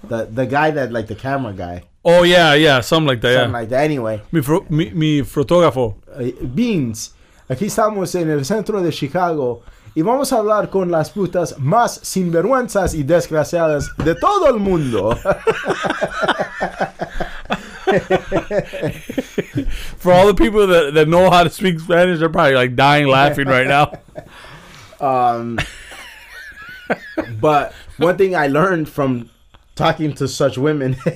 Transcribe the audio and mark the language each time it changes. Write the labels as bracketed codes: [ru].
[en] The guy that like the camera guy. Oh yeah, something like that. Anyway. [es] Mi fotógrafo. [en] Beans. [es] Aquí estamos en el centro de Chicago. Y vamos a hablar con las putas más sinvergüenzas y desgraciadas de todo el mundo. [en] For all the people that know how to speak Spanish, they're probably like dying laughing right now. But one thing I learned from talking to such women...